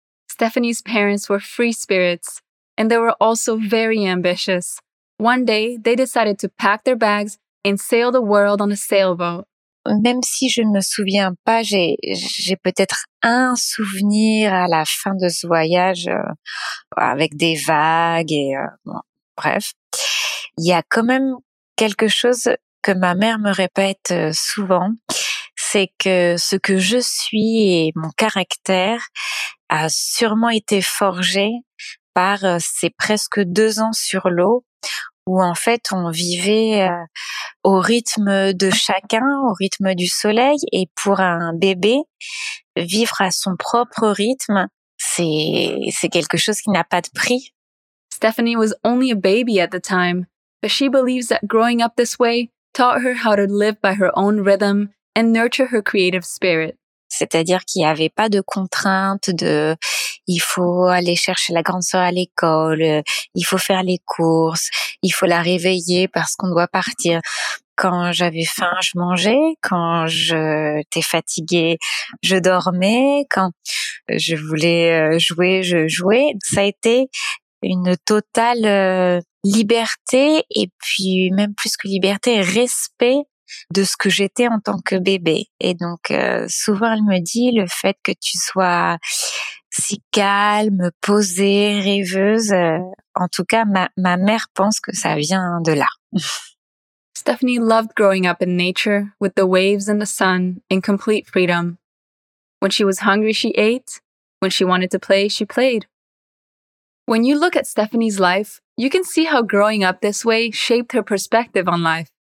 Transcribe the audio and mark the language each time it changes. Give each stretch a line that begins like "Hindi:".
English: Stephanie's parents were free spirits, and they were also very ambitious. One day, they decided to pack their bags and sail the world on a sailboat.
French: Même si je ne me souviens pas, j'ai peut-être un souvenir à la fin de ce voyage avec des vagues et bon, bref. Il y a quand même quelque chose que ma mère me répète souvent, c'est que ce que je suis et mon caractère a sûrement été forgé par ces presque 2 ans sur l'eau où en fait on vivait... au rythme de chacun, au rythme du soleil. Et pour un bébé, vivre à son propre rythme, c'est quelque chose qui n'a pas de prix. Stephanie was only a baby at the time, but she believes that growing up this way taught her how to live by her own rhythm and nurture her creative spirit. C'est-à-dire qu'il n'y avait pas de contraintes de « il faut aller chercher la grande sœur à l'école, il faut faire les courses, il faut la réveiller parce qu'on doit partir ». Quand j'avais faim, je mangeais. Quand j'étais fatiguée, je dormais. Quand je voulais jouer, je jouais. Ça a été une totale liberté et puis même plus que liberté, respect de ce que j'étais en tant que bébé. Et donc, souvent, elle me dit, le fait que tu sois si calme, posée, rêveuse. En tout cas, ma mère pense que ça vient de là.
English: Stephanie loved growing up in nature, with the waves and the sun, in complete freedom. When she was hungry, she ate. When she wanted to play, she played. When you look at Stephanie's life, you can see how growing up this way shaped her perspective on life.